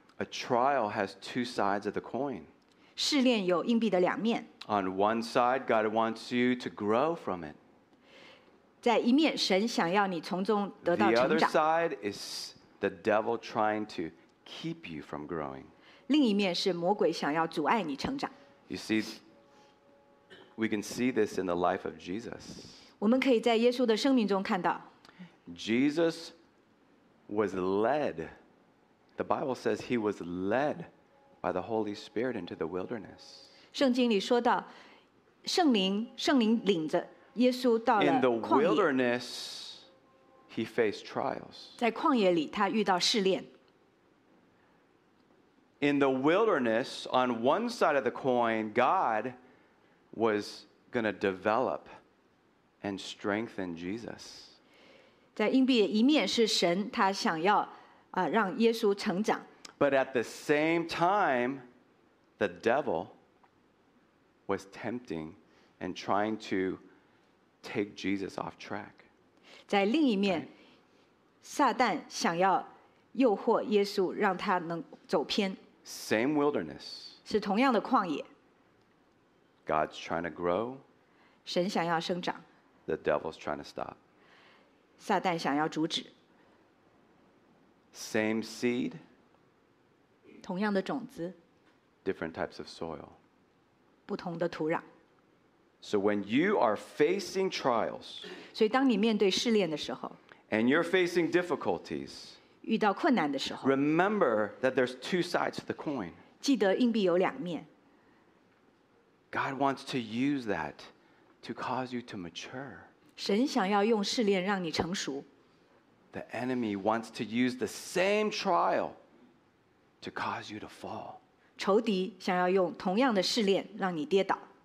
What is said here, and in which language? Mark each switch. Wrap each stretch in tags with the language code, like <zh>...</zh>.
<en>A trial has two sides of the coin.</en> <zh>试炼有硬币的两面。</zh> <en>On one side, God wants you to grow from it.</en> <zh>在一面，神想要你从中得到成长。</zh> <en>The other side is the devil trying to keep you from growing.</en> <zh>另一面是魔鬼想要阻碍你成长。</zh> <en>You see, we can see this in the life of Jesus.</en> <zh>我们可以在耶稣的生命中看到。</zh> <en>Jesus was led. The Bible says he was led by the Holy Spirit into the wilderness.</en> <zh>圣经里说到，圣灵领着耶稣到了旷野。</zh> <en>In the wilderness, he faced trials.</en> <zh>在旷野里，他遇到试炼。</zh> <en>In the wilderness, on one side of the coin, God was going to develop and strengthen Jesus.</en> <zh>在硬币的一面是神，他想要让耶稣成长。</zh> <en>But at the same time, the devil. Was tempting and trying to take Jesus off track.</en> <zh>在另一面，撒旦想要诱惑耶稣，让他能走偏。</zh> <en>Same wilderness.</en> <zh>是同样的旷野。</zh> <en>God's trying to grow.</en> <zh>神想要生长。</zh> <en>The devil's trying to stop.</en> <zh>撒旦想要阻止。</zh> <en>Same seed.</en> <zh>同样的种子。</zh> <en>Different types of soil.</en> <zh>不同的土壤。</zh> <en>So when you are facing trials,</en> <zh>所以当你面对试炼的时候，</zh> <en>and you're facing difficulties,</en> <zh>遇到困难的时候,</zh> <en>remember that there's two sides to the coin.</en> <zh>记得硬币有两面。</zh> <en>God wants to use that to cause you to mature.</en> <zh>神想要用试炼让你成熟。</zh> <en>The enemy wants to use the same trial to cause you to fall.</en> <zh>仇敌想要用同样的试炼让你跌倒。</zh>